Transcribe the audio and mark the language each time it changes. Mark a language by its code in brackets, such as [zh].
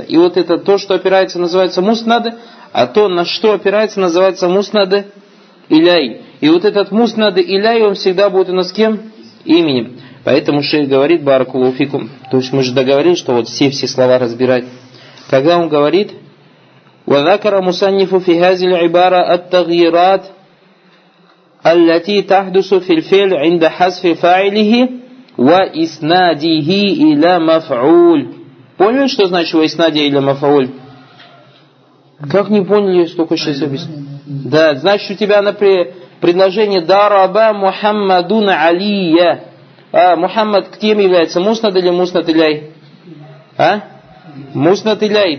[ru] И вот это то, что опирается, называется муснад, а то, на что опирается, называется муснад иляй. И вот этот муснад иляй, он всегда будет у нас кем? Именем. Поэтому шейх говорит [ar] баракулуфикум. [ru] То есть мы же договорились, что вот все слова разбирать. Когда он говорит, [ar] «Ва закара мусаннифу фи хазиль ибара ат-тагьират», التي تحدث في الفعل عند حذف فاعله وإسناده إلى مفعول. [ru] Понял, что значит [ar] وإسناده إلى مفعول? [ru] Как не поняли, столько сейчас объясню. Да, значит, у тебя, например, предложение [ar] «Дараба Мухаммадун Алия». [ru] А, Мухаммад к тем является муснад или муснад иляй? А? Муснад иляй.